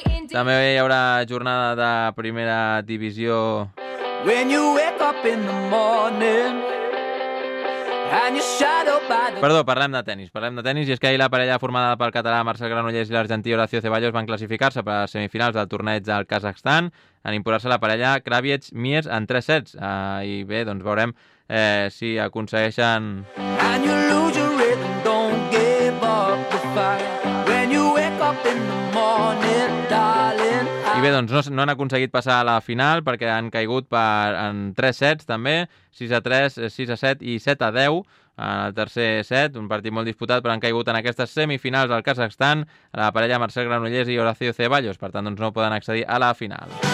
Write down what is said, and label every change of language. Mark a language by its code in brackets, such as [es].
[ca] També hi haurà jornada de primera divisió. [en] When you wake up in the morning and you're shadowed by the... [ca] Perdó, parlem de tenis, i és que ahir la parella formada pel català Marcel Granollers i l'argentí Horacio Ceballos van classificar-se per a les semifinals del torneig del Kazakhstan en imposar-se la parella Kravets-Mies en 3 sets. I bé, doncs veurem si aconsegueixen... [en] And you lose your rhythm, don't give up the fight. When you wake up in the morning, darling. [ca] I bé, doncs no han aconseguit passar a la final perquè han caigut en 3 sets també, 6 a 3, 6 a 7 i 7 a 10 en el tercer set, un partit molt disputat, però han caigut en aquestes semifinals al Kazakhstan la parella Marcel Granollers i Horacio Ceballos, per tant doncs no poden accedir a la final.